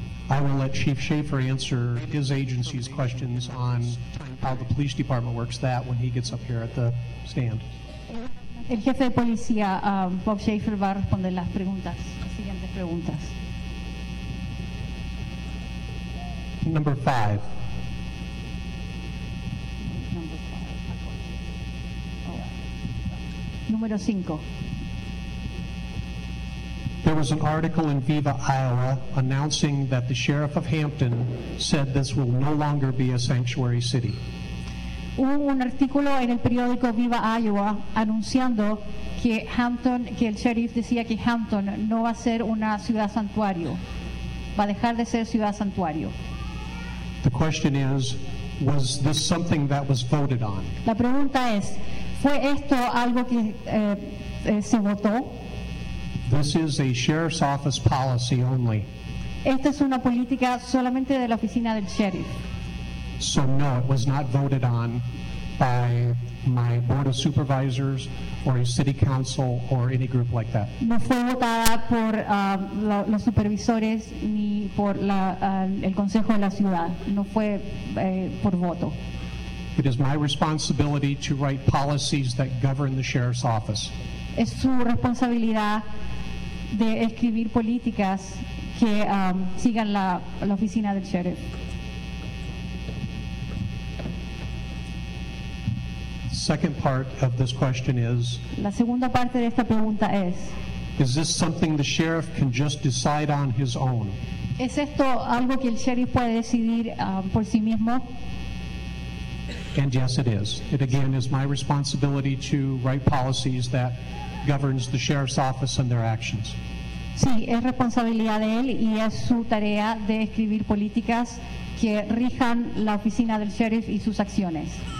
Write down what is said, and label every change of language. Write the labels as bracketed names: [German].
[English] I will let Chief Schaefer answer his agency's questions on how the police department works that when he gets up here at the stand. [Spanish] El jefe de policía, Bob Schaefer, va a responder las siguientes preguntas. [English] Number five. Number five. [Spanish] Número cinco. [English] There was an article in Viva Iowa announcing that the sheriff of Hampton said this will no longer be a sanctuary city. [Spanish] Hubo un artículo en el periódico Viva Iowa anunciando que Hampton, que el sheriff decía que Hampton no va a ser una ciudad santuario, va a dejar de ser ciudad santuario. [English] The question is, was this something that was voted on? [Spanish] La pregunta es, ¿fue esto algo que se votó? [English] This is a sheriff's office policy only. [Spanish] Esta es una política solamente de la oficina del sheriff. [English] So no, it was not voted on by my board of supervisors or a city council or any group like that. [Spanish] No fue votada por los supervisores ni por el consejo de la ciudad. No fue por voto. [English] It is my responsibility to write policies that govern the sheriff's office. [Spanish] Es su responsabilidad de escribir políticas que sigan la oficina del sheriff. [English] Second part of this question is, [Spanish] la segunda parte de esta pregunta es, [English] is this something the sheriff can just decide on his own? [Spanish] ¿Es esto algo que el sheriff puede decidir por sí mismo? [English] And yes, it is. It again is my responsibility to write policies that governs the sheriff's office and their actions. [Spanish] Sí, es responsabilidad de él y es su tarea de escribir políticas que rijan la oficina del sheriff y sus acciones.